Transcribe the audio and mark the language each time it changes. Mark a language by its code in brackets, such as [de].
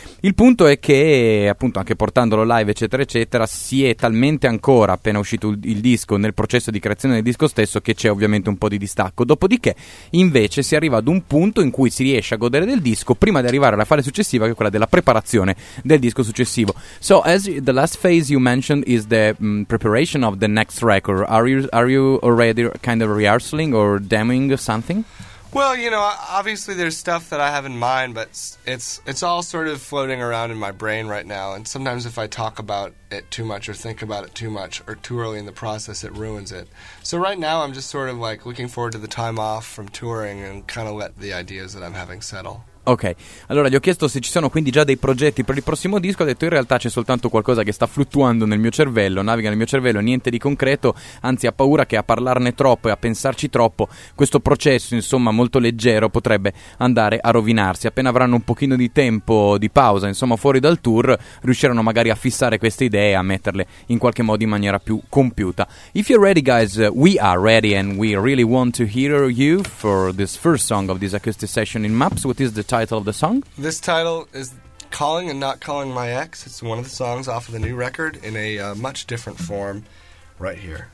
[it] Il punto è che appunto anche portandolo live eccetera eccetera si è talmente ancora appena uscito il disco nel processo di creazione del disco stesso che c'è ovviamente un po' di distacco. Dopodiché invece si arriva ad un punto in cui si riesce a godere del disco prima di arrivare alla fase successiva, che è quella della preparazione del disco successivo. [en] So as the last phase you mentioned is the preparation of the next record. Are you already kind of rehearsing or demoing something? Well, you know, obviously there's stuff that I have in mind, but it's all sort of floating around in my brain right now. And sometimes if I talk about it too much or think about it too much or too early in the process, it ruins it. So right now I'm just sort of like looking forward to the time off from touring and kind of let the ideas that I'm having settle. [it] Ok, allora gli ho chiesto se ci sono quindi già dei progetti per il prossimo disco. Ha detto in realtà c'è soltanto qualcosa che sta fluttuando nel mio cervello, naviga nel mio cervello, niente di concreto. Anzi, ha paura che a parlarne troppo e a pensarci troppo questo processo, insomma, molto leggero potrebbe andare a rovinarsi. Appena avranno un pochino di tempo di pausa, insomma, fuori dal tour, riusciranno magari a fissare queste idee, a metterle in qualche modo in maniera più compiuta. [en] If you're ready, guys, we are ready and we really want to hear you for this first song of this acoustic session in MAPS. What is the title of the song? This title is Calling and Not Calling My Ex. It's one of the songs off of the new record in a much different form right here.